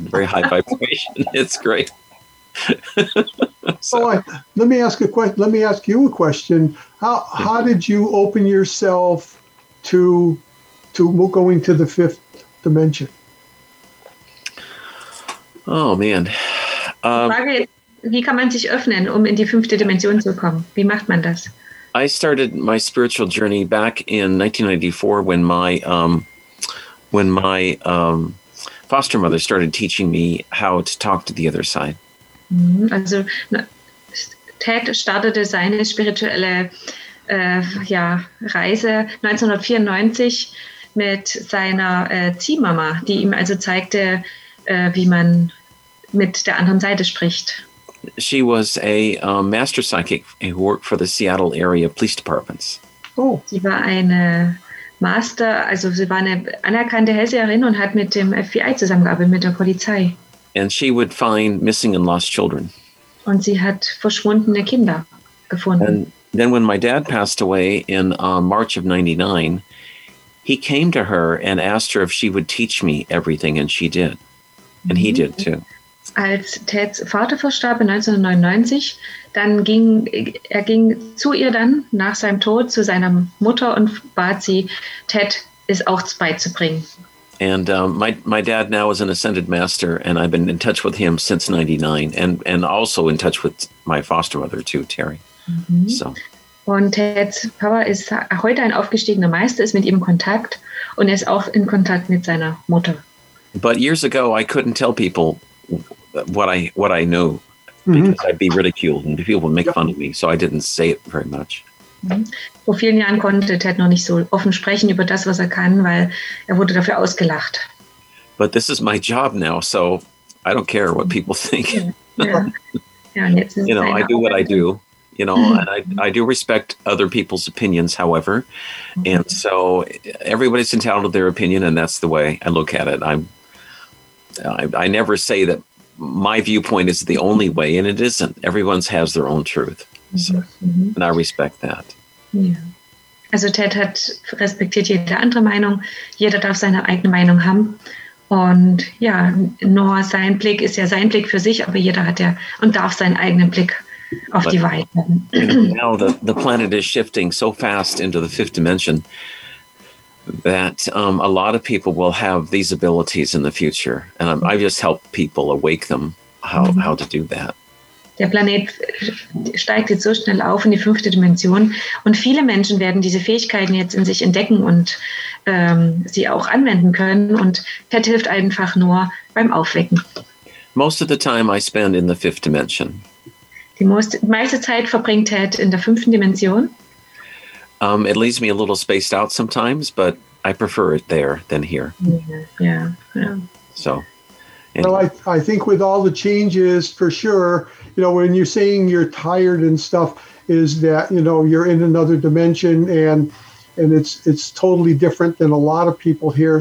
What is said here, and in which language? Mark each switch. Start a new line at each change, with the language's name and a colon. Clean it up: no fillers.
English: Very high vibration. It's great. So, let me ask you a question. How did you open yourself to going to the fifth dimension? Oh man.
German: Wie kann man sich öffnen, um in die fünfte Dimension zu kommen? Wie macht man das?
English: I started my spiritual journey back in 1994 when my foster mother started teaching me how to talk to the other side.
German: Also Ted startete seine spirituelle Reise 1994 mit seiner Ziehmama, die ihm also zeigte, wie man mit der anderen Seite spricht.
English: She was a master psychic who worked for the Seattle area police departments. Oh.
German: Sie war eine Master, also sie war eine anerkannte Hellseherin und hat mit dem FBI zusammengearbeitet, mit der Polizei.
English: And she would find missing and lost children.
German: Und sie hat verschwundene Kinder gefunden.
English: And then when my dad passed away in March of 99, he came to her and asked her if she would teach me everything, and she did. And he did too.
German: Als Teds Vater verstarb in 1999, dann ging er zu ihr dann nach seinem Tod zu seiner Mutter und bat sie, Ted es auch beizubringen.
English: And my dad now is an ascended master, and I've been in touch with him since 99, and also in touch with my foster mother too, Terry. So.
German: Und Ted's Papa ist heute ein aufgestiegener Meister, ist mit ihm in Kontakt, und er ist auch in Kontakt mit seiner Mutter.
English: But years ago, I couldn't tell people what I knew, because I'd be ridiculed and people would make fun of me, so I didn't say it very much.
German: Vor vielen Jahren konnte Ted noch nicht so offen sprechen über das, was er kann, weil er wurde dafür ausgelacht.
English: But this is my job now, so I don't care what people think. Yeah, you know, I do what I do, you know, and I do respect other people's opinions, however. And so everybody's entitled to their opinion, and that's the way I look at it. I never say that my viewpoint is the only way, and it isn't. Everyone has their own truth. So, and I respect that.
German: Yeah. Also Ted hat respektiert jede andere Meinung. Jeder darf seine eigene Meinung haben. Und ja, nur sein Blick ist ja sein Blick für sich, aber jeder hat ja und darf seinen eigenen Blick auf die Welt haben.
English: Now the planet is shifting so fast into the fifth dimension that a lot of people will have these abilities in the future. And I just help people awake them how to do that.
German: Der Planet steigt jetzt so schnell auf in die fünfte Dimension und viele Menschen werden diese Fähigkeiten jetzt in sich entdecken und sie auch anwenden können und Ted hilft einfach nur beim Aufwecken.
English: Most of the time I spend in the fifth dimension.
German: Die meiste Zeit verbringt Ted in der fünften Dimension.
English: It leaves me a little spaced out sometimes, but I prefer it there than here. Well, I think with all the changes, for sure, you know, when you're saying you're tired and stuff, is that, you know, you're in another dimension and it's totally different than a lot of people here.